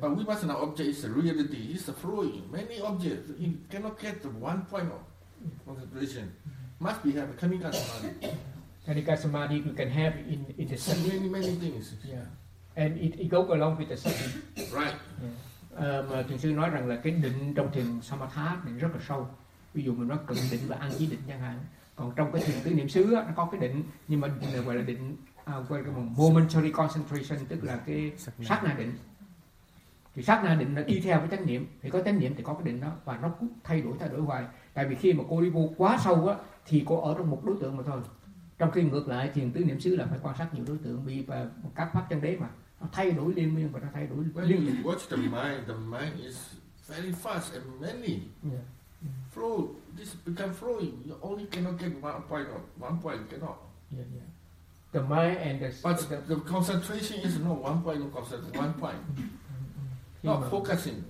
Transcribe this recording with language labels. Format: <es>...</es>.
<en>But vipassana object is a reality, it's a flowing, many objects, you cannot get the one point of concentration. Must be have a khanika samadhi. Khanika samadhi you can have in the sun. Many, many things. Yeah. And it goes along with the same. Right. Yeah.</en> <vi>Thiền sư nói rằng là cái định trong thiền Samatha định rất là sâu. Ví dụ mình nói cận định và an chí định chẳng hạn. Còn trong cái thiền tứ niệm xứ nó có cái định, nhưng mà gọi là định</vi> <en>momentary concentration,</en> <vi>tức là cái sát na định. Thì sát na định nó đi theo cái chánh niệm, thì có chánh niệm thì có cái định đó, và nó cũng thay đổi hoài. Tại vì khi mà cô đi vô quá sâu á, thì cô ở trong một đối tượng mà thôi. Trong khi ngược lại, thiền tứ niệm xứ là phải quan sát nhiều đối tượng, vì các pháp chân đế mà nó thay đổi liên miên và nó thay đổi liên miên.</vi> <en>When you watch the mind is very fast and many. Yeah. Flow, this become flowing. You only cannot get one point, cannot. Yeah. The mind and the... But the concentration is not one point, one point. Not focusing.</en>